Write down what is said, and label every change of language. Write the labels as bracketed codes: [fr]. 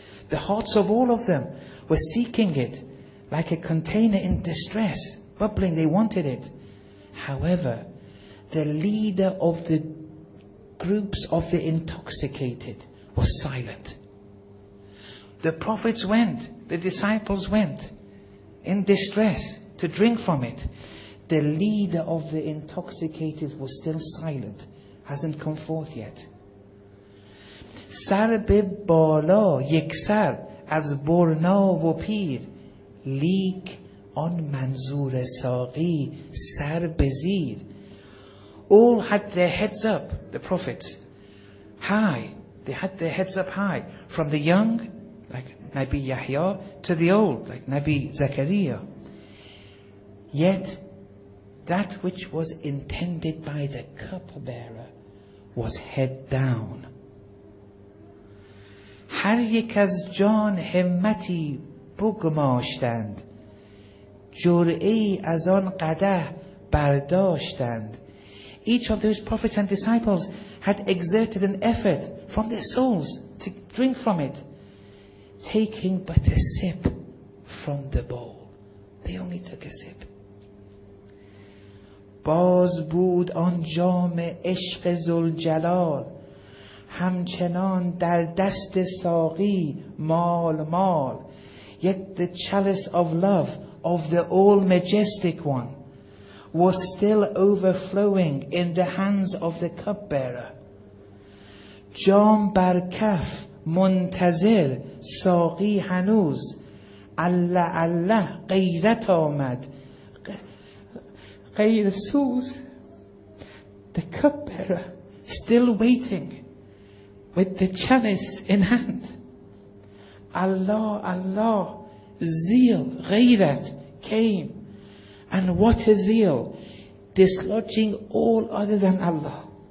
[en] The hearts of all of them were seeking it like a container in distress, bubbling, they wanted it. However, the leader of the groups of the intoxicated was silent. The prophets went, the disciples went in distress to drink from it. The leader of the intoxicated was still silent, hasn't come forth yet. [fa] سر به بالا یک سر از برنا و پیر لیک آن منظور ساقی سر بزیر. [en] All had their heads up, the prophet, high. They had their heads up high, from the young, like Nabi Yahya, to the old, like Nabi Zakaria. Yet, that which was intended by the cupbearer was head down. [fa] هر یک از جان همتی بگماشتند، جرعه از آن قده برداشتند. [en] Each of those prophets and disciples had exerted an effort from their souls to drink from it, taking but a sip from the bowl. They only took a sip. [fa] باز بود آن جام عشق ذوالجلال همچنان در دست ساقی مال مال. Yet the chalice of love of the All Majestic One was still overflowing in the hands of the cupbearer. جام بر کف منتظر ساقی هنوز الله الله غیرت آمد غیر سوز. [en] The cupbearer still waiting with the chalice in hand. الله الله زیل غیرت came, and what a zeal, dislodging all other than Allah.